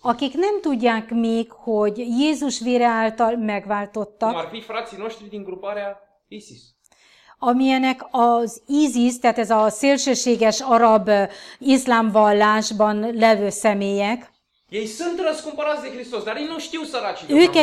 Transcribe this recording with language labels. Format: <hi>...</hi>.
<hu>Akik nem tudják még, hogy Jézus vére által megváltottak.</hu> <ro>Cum ar fi frații noștri din gruparea ISIS.</ro> <hu>Amilyenek az ISIS, tehát ez a szélsőséges arab iszlám vallásban levő személyek.</hu> <ro>Ei sunt răscumpărați de Hristos, dar ei nu știu săracii.</ro>